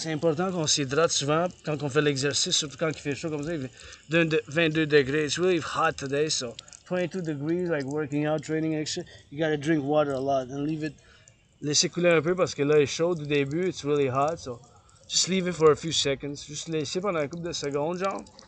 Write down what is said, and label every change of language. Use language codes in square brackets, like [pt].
[fr] C'est important qu'on s'hydrate souvent quand on fait l'exercice, surtout quand il fait chaud comme ça. 22 degrés. [en] It's really hot today, so 22 degrees, like working out, training, etc. You gotta drink water a lot and leave it. [fr] Laissez couler un peu parce que là, il est chaud du début. [en] It's really hot, so just leave it for a few seconds. [fr] Juste laisser pendant un couple de secondes, genre.